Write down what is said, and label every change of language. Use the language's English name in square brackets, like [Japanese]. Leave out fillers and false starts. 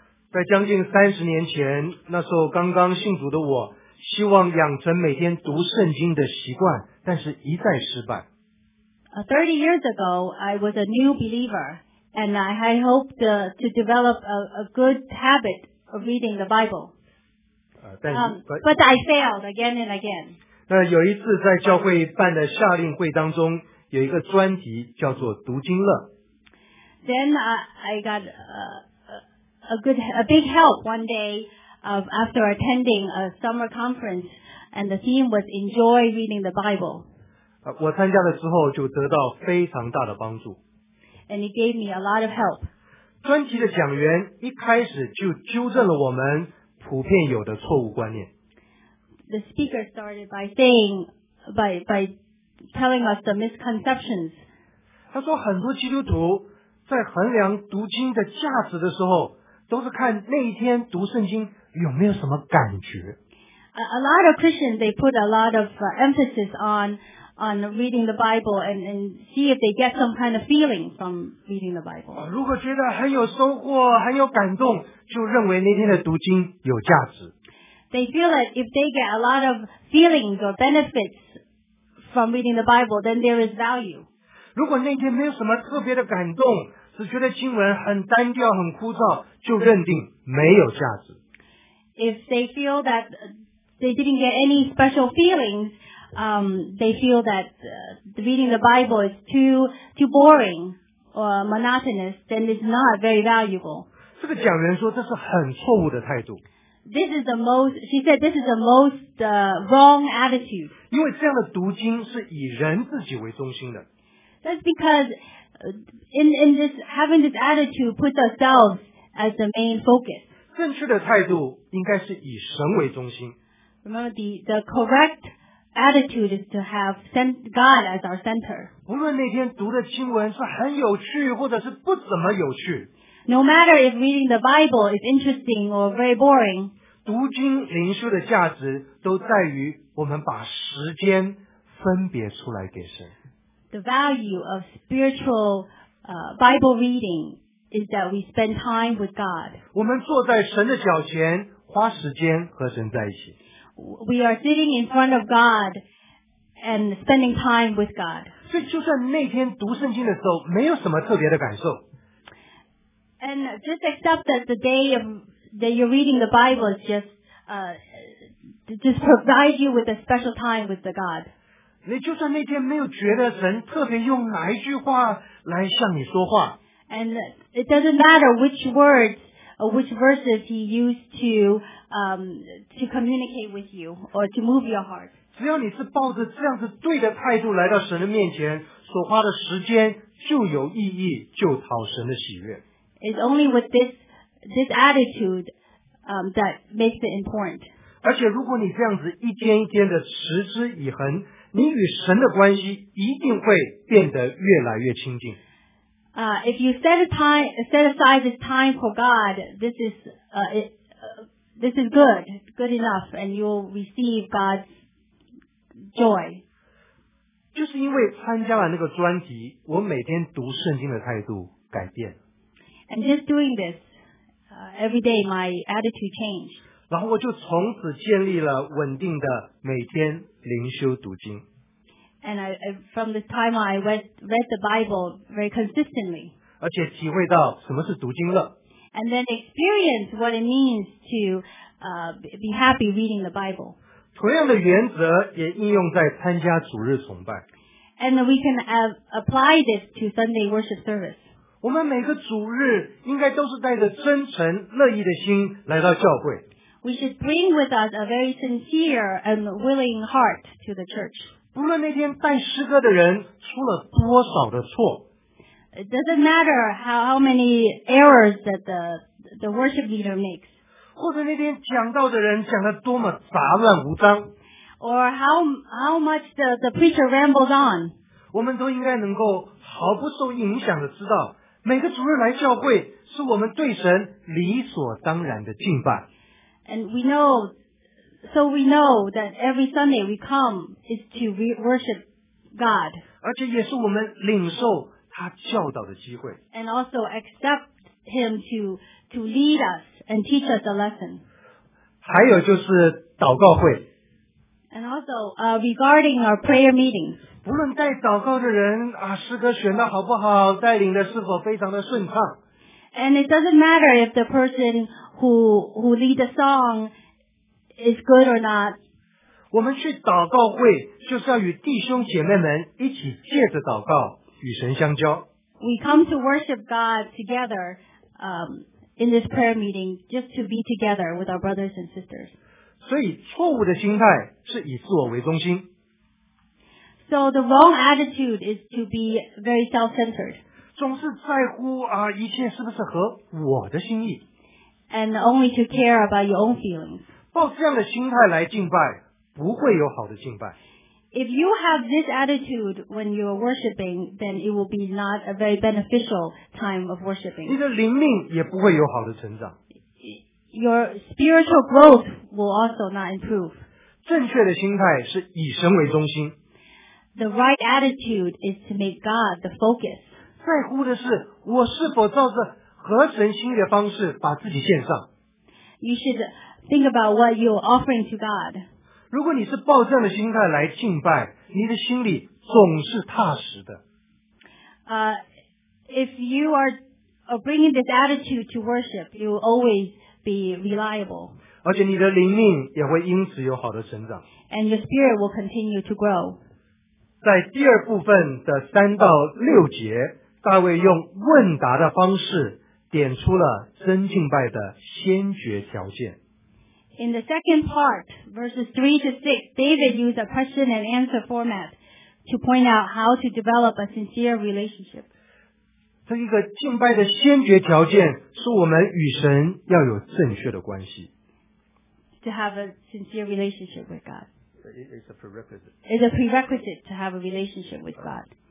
[Chinese] 在将近30年前，那时候刚刚信主的我，希望养成每天读圣经的习惯，但是一再失败。 [English] 30 years ago, I was a new believer, and I had hoped to develop a good habit of reading the Bible. But I failed again and again. [Chinese] 那有一次在教会办的夏令会当中，有一个专题叫做读经乐。 [English] Then I got a big help one day of after attending a summer conference, and the theme was enjoy reading the Bible. [Chinese] 我参加了之后就得到非常大的帮助。 [English] And it gave me a lot of help. [Chinese] 专题的讲员一开始就纠正了我们普遍有的错误观念。 [English] The speaker started by saying, by telling us the misconceptions. [Chinese] 他说很多基督徒在衡量读经的价值的时候，都是看那一天读圣经有没有什么感觉。 [English] A lot of Christians, they put a lot of emphasis on reading the Bible and see if they get some kind of feeling from reading the Bible. [Chinese] 如果觉得很有收获，很有感动，就认为那天的读经有价值。 [English] They feel that if they get a lot of feelings or benefits from reading the Bible, then there is value. [Chinese] 如果那天没有什么特别的感动，只觉得经文很单调，很枯燥，就认定没有价值。 [English] If they feel that they didn't get any special feelings,they feel that reading the Bible is too boring or monotonous, then it's not very valuable. [Chinese] 这个讲员说这是很错误的态度。 [English] This is the most, she said this is the most wrong attitude. [Chinese] 因为这样的读经是以人自己为中心的。 [English] That's because in this, having this attitude puts ourselves as the main focus. [Chinese] 正确的态度应该是以神为中心。 [English] Remember the correct attitude is to have God as our center. [Chinese] 无论那天读的经文是很有趣或者是不怎么有趣。 [English] No matter if reading the Bible is interesting or very boring. [Chinese] 读经灵修的价值都在于我们把时间分别出来给神。 [English] The value of spiritual Bible reading is that we spend time with God. [Chinese] 我们坐在神的脚前，花时间和神在一起。 [English] We are sitting in front of God and spending time with God. [Chinese] 所以就算那天读圣经的时候没有什么特别的感受。 [English] And just accept that the day of, that you're reading the Bible is just provide you with a special time with the God. [Chinese] 你就算那天没有觉得神特别用哪一句话来向你说话。 [English] And it doesn't matter which words,which verses he used to communicate with you or to move your heart. [Chinese] 只要你是抱着这样子对的态度来到神的面前，所花的时间就有意义，就讨神的喜悦。 [English] It's only with this attitude, that makes it important. [Chinese] 而且如果你这样子一天一天的持之以恒，你与神的关系一定会变得越来越亲近。 [English] If you set aside this time for God, this is this is good, good enough, and you will receive God's joy. [Chinese] 就是因为参加了那个专题，我每天读圣经的态度改变。 [English] And just doing this, every day my attitude changed. [Chinese] 然后我就从此建立了稳定的每天灵修读经。 [English] And from this time on, I read the Bible very consistently. [Chinese] 而且体会到什么是读经乐。 [English] And then experience what it means to be happy reading the Bible. [Chinese] 同样的原则也应用在参加主日崇拜。 [English] And we can apply this to Sunday worship service. [Chinese] 我们每个主日应该都是带着真诚乐意的心来到教会。 [English] We should bring with us a very sincere and willing heart to the church. [Chinese] 不论那天带诗歌的人出了多少的错。 [English] It doesn't matter how many errors that the worship leader makes. [Chinese] 或者那天讲道的人讲得多么杂乱无章。 [English] Or how much the preacher rambles on. [Chinese] 我们都应该能够毫不受影响的知道，每个主日来教会是我们对神理所当然的敬拜。 [English] And we know that every Sunday we come is to worship God. [Chinese] 而且也是我们领受他教导的机会。 [English] And also accept him to lead us and teach us a lesson. [Chinese] 还有就是祷告会。 [English] And also, regarding our prayer meetings. [Chinese] 不论带祷告的人啊，诗歌选的好不好，带领的是否非常的顺畅。 [English] And it doesn't matter if the person who lead the song is good or not. [Chinese] 我们去祷告会就是要与弟兄姐妹们一起借着祷告与神相交。 [English] We come to worship God together, in this prayer meeting, just to be together with our brothers and sisters. [Chinese] 所以错误的心态是以自我为中心。 [English] So the wrong attitude is to be very self-centered. [Chinese] 总是在乎啊一切是不是合我的心意。 [English] And only to care about your own feelings. [Chinese] 抱这样的心态来敬拜，不会有好的敬拜。 [English] If you have this attitude when you are worshiping, then it will be not a very beneficial time of worshiping. [Chinese] 你的灵命也不会有好的成长。 [English] Your spiritual growth will also not improve. [Chinese] 正确的心态是以神为中心。 [English] The right attitude is to make God the focus. [Chinese] 在乎的是我是否照着合神心的方式把自己献上。 [English] You should think about what you are offering to God. [Chinese] 如果你是抱这样的心态来敬拜，你的心里总是踏实的。 [English] If you are bringing this attitude to worship, you will always be reliable. [Chinese] 而且你的灵命也会因此有好的成长。 [English] And your spirit will continue to grow. [Chinese] 在第二部分的三到六节，大卫用问答的方式点出了真敬拜的先决条件。 [English] In the second part, verses 3 to 6, David used a question and answer format to point out how to develop a sincere relationship. [Chinese] 这一个敬拜的先决条件是我们与神要有正确的关系。 [English] To have a sincere relationship with God. It's a prerequisite. It's a prerequisite to have a relationship with God.